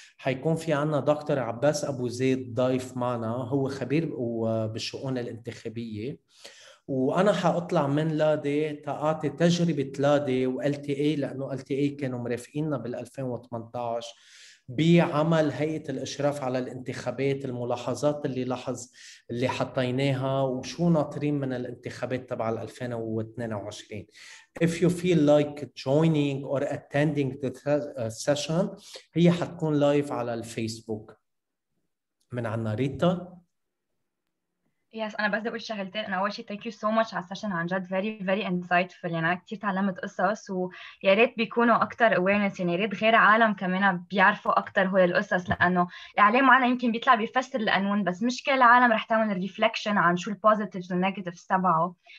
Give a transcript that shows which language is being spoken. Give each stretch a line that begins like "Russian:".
Arabic: حيكون في عنا دكتور عباس أبو زيد ضيف معنا، هو خبير بالشؤون الانتخابية، وأنا حأطلع من لادي تأعطي تجربة لادي والتي اي، لأنه التي اي كانوا مرافقيننا بال 2018 بعمل هيئة الإشراف على الانتخابات، الملاحظات اللي حطيناها وشو ناطرين من الانتخابات تبع 2022.
English: If you feel like joining or attending the session،
Arabic: هي حتكون لايف على الفيسبوك من عنا. ريتا يس، انا بس بدي اقول شغلتين. انا اول شيء ثانك يو سو ماتش على السيشن، عن جد فيري فيري انسايتفل، يعني انا كثير تعلمت قصص، ويا ريت بيكونوا اكثر اويرنس، يعني يا ريت غير عالم كمان بيعرفوا اكثر هو القصص، لانه الاعلام معنا يمكن بيطلع بيفسر القانون بس مش كل العالم رح تعمل ريفلكشن عن شو البوزيتيفز والنيجاتيفز تبعه.